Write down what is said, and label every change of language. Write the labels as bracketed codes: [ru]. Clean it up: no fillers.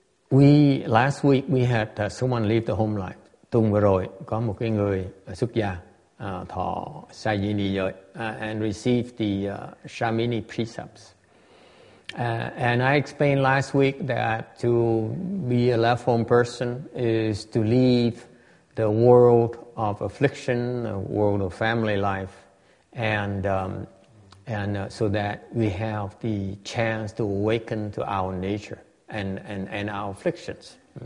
[en] Last week we had someone leave the home life. [vi] Tuần vừa rồi có một cái người xuất gia thọ Sayini rồi [en] and received the Shamini precepts. And I explained last week that to be a left home person is to leave the world of affliction, the world of family life, and And so that we have the chance to awaken to our nature and our afflictions.